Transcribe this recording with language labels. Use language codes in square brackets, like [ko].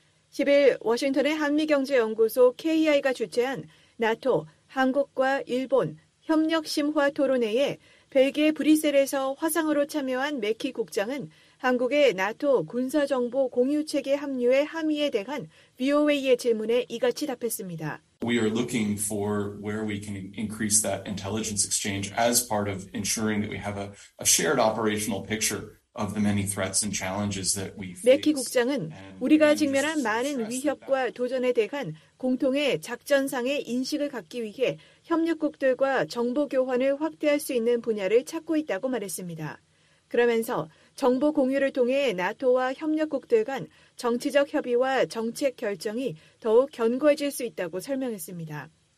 [ko] 10일 워싱턴의 한미경제연구소 KI가 주최한 나토, 한국과 일본 협력 심화 토론회에 벨기에 브뤼셀에서 화상으로 참여한 매키 국장은 한국의 나토 군사정보 공유체계 합류의 함의에 대한 VOA의 질문에 이같이 답했습니다. [en] We are looking for where we can increase that intelligence exchange as part of ensuring that we have a shared operational picture of the many threats and challenges that we face. [ko] 매키 국장은 우리가 직면한 많은 위협과 도전에 대한 공통의 작전상의 인식을 갖기 위해 협력국들과 정보 교환을 확대할 수 있는 분야를 찾고 있다고 말했습니다. 그러면서 정보 공유를 통해 나토와 협력국들 간 정치적 협의와 정책 결정이 더욱 견고해질 수 있다고 설명했습니다.